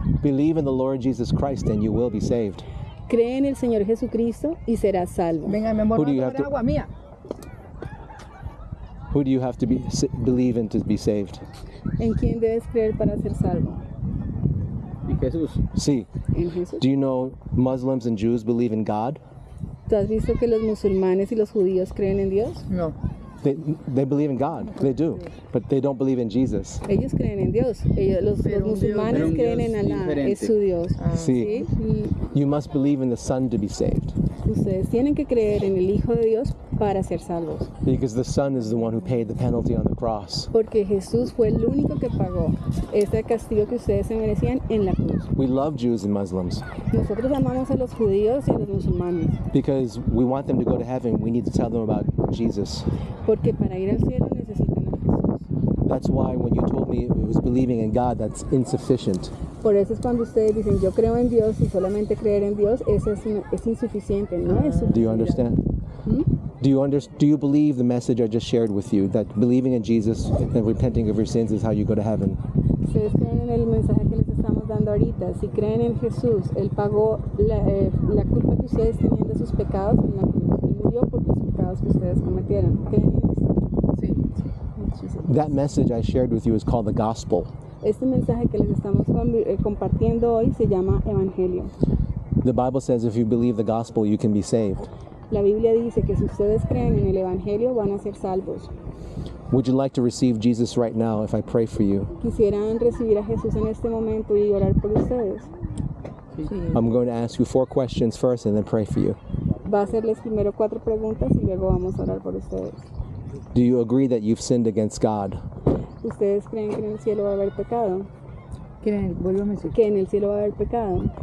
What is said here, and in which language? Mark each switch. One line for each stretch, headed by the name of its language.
English: Believe in the Lord Jesus Christ and you will be saved.
Spanish: Cree en el Señor Jesucristo y serás salvo. Venga, mi amor, agua mía.
English: Who do you have to believe in to be saved?
Spanish: ¿En quién debes creer para ser salvo? En Jesús. Sí. ¿En Jesús?
English: Do you know Muslims and Jews believe in God?
Spanish: ¿Tú has visto que los musulmanes y los judíos creen en Dios? No.
English: They believe in God. They do. Sí. But they don't believe in Jesus.
Spanish: Ellos creen en Dios. Ellos, los musulmanes Dios, creen en Alá. Es su Dios. Ah. Sí.
English: You must believe in the Son to be saved.
Spanish: Ustedes tienen que creer en el Hijo de Dios para ser salvos.
English: Because the Son is the one who paid the penalty on the cross.
Spanish: Porque Jesús fue el único que pagó ese castigo que ustedes se merecían en la cruz.
English: We love Jews and Muslims.
Spanish: Nosotros amamos a los judíos y a los musulmanes.
English: Because we want them to go to heaven, we need to tell them about Jesus.
Spanish: Porque para ir al cielo necesitan a Jesús.
English: That's why when you told me it was believing in God, that's insufficient.
Spanish: Por eso es cuando ustedes dicen yo creo en Dios y solamente creer en Dios, eso es insuficiente, no es suficiente.
English: Do you understand? Do you believe the message I just shared with you, that believing in Jesus and repenting of your sins is how you go to heaven?
Spanish: ¿Ustedes creen en el mensaje que les estamos dando ahorita? Si creen en Jesús, Él pagó la culpa que ustedes tenían de sus pecados en la cruz y murió por los pecados que ustedes cometieron. ¿Creen en Jesús?
English: That message I shared with you is called the gospel.
Spanish: Este mensaje que les estamos compartiendo hoy se llama Evangelio.
English: The Bible says if you believe the gospel, you can be saved.
Spanish: La Biblia dice que si ustedes creen en el Evangelio, van a ser salvos.
English: Would you like to receive Jesus right now if I pray for you?
Spanish: ¿Quisieran recibir a Jesús en este momento y orar por ustedes?
English: I'm going to ask you 4 questions first and then pray for you.
Spanish: Va a hacerles primero 4 preguntas y luego vamos a orar por ustedes.
English: Do you agree that you've sinned against God?
Spanish: ¿Ustedes creen que en el cielo va a haber pecado? ¿Creen? Vuélvame a decir. ¿Que en el cielo va a haber pecado?